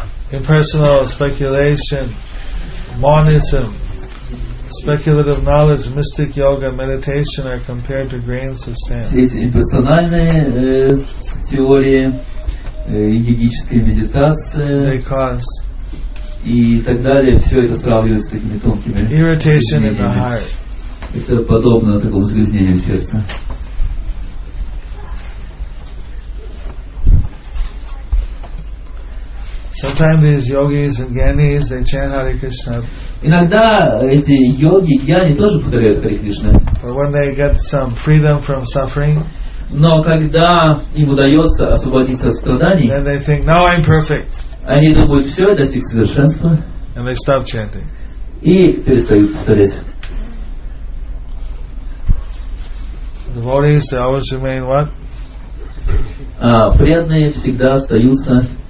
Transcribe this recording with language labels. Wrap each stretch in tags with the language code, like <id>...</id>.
<en>Impersonal speculation, monism, speculative knowledge, mystic yoga, meditation are compared to grains of sand.</en> <ru>Все эти имперсональные теории, йогическая медитация и так далее, все это сравнивают с такими тонкими</ru> <en>irritation in the heart.</en> <ru>Это подобно такому загрязнению сердца.</ru> <en>Sometimes these yogis and gyanis they chant Hare Krishna.</en> <ru>Иногда эти йоги, гьяни тоже повторяют Хари Кришна.</ru> <en>But when they get some freedom from suffering,</en> <ru>но когда им удается освободиться от страданий,</ru> <en>then they think, now I'm perfect.</en> <ru>Они думают, все, я достиг совершенства.</ru> <en>And they stop chanting.</en> <ru>И перестают повторять.</ru> <en>Devotees, they always remain what?</en> <ru>Преданные всегда остаются.</ru>